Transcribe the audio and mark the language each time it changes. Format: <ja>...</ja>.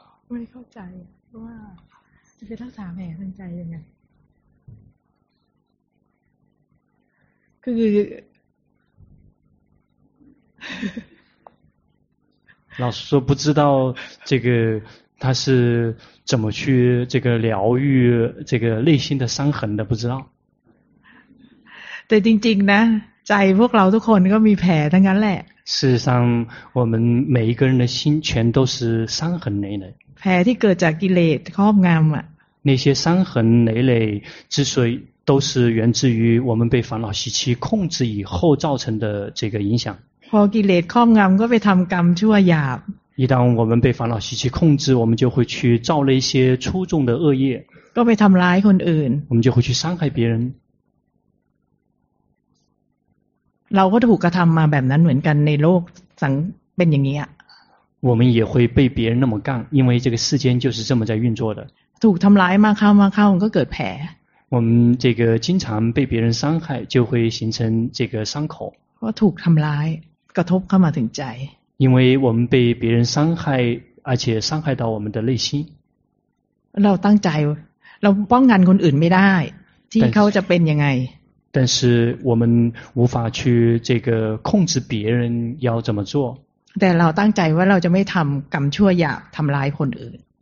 <th>ไม่เข้าใจว่าจะไปรักษาแผลทางใจยังไงคือ</th> <zh>老师说不知道这个他是怎么去这个疗愈这个内心的伤痕的不知道对</zh> <th>จริงๆนะใจพวกเราทุกคนก็มีแผลทั้งนั้นแหละ</th> <zh>事实上我们每一个人的心全都是伤痕累累</zh> <th>แผลที่เกิดจากกิเลสครอบงำอ่ะ</th> <zh>那些伤痕累累之所以都是源自于我们被烦恼习气控制以后造成的这个影响</zh> <th>พอกิเลสครอบงำก็ไปทำกรรมชั่วหยาบ</th> <zh>一旦我们被烦恼习气控制我们就会去造了一些粗重的恶业</zh> <th>ก็ไปทำร้ายคนอื่น</th> <zh>我们就会去伤害别人</zh> <th>เราก็ถูกกระทำมาแบบนั้นเหมือนกันในโลกสังเป็นอย่างนี้อ่ะ</th> <zh>我们也会被别人那么干因为这个世间就是这么在运作的</zh> <th>ถูกทำร้ายมากเข้ามากเข้ามันก็เกิดแผล</th> <zh>我们这个经常被别人伤害就会形成这个伤口</zh> <th>ก็ถูกทำร้ายกระทบเข้ามาถึงใจ</th> <zh>因为我们被别人伤害而且伤害到我们的内心。</zh> <th>เราตั้งใจเราป้องกันคนอื่นไม่ได้ที่เขาจะเป็นยังไง</th> <zh>但是我们无法去这个控制别人要怎么做</zh> <th>แต่เราตั้งใจว่าเราจะไม่ทำกรรมชั่วอย่าทำร้ายคนอื่น</th>